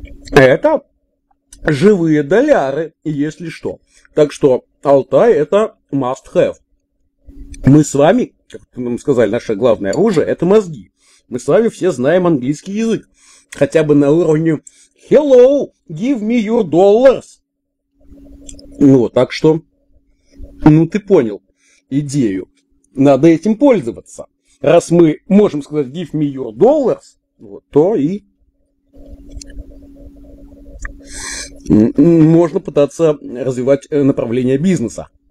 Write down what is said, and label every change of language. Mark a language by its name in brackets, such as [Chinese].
[Russian] Это живые доляры, если что. Так что Алтай – это [English] must have. [Russian] Мы с вами, как нам сказали, наше главное оружие – это мозги. мы с вами все знаем английский язык. Хотя бы на уровне [English] «Hello, give me your dollars». [Russian] Ну, так что, ну, ты понял идею. Надо этим пользоваться. Раз мы можем сказать [English] «give me your dollars», [Russian] вот, то и можно пытаться развивать направление бизнеса.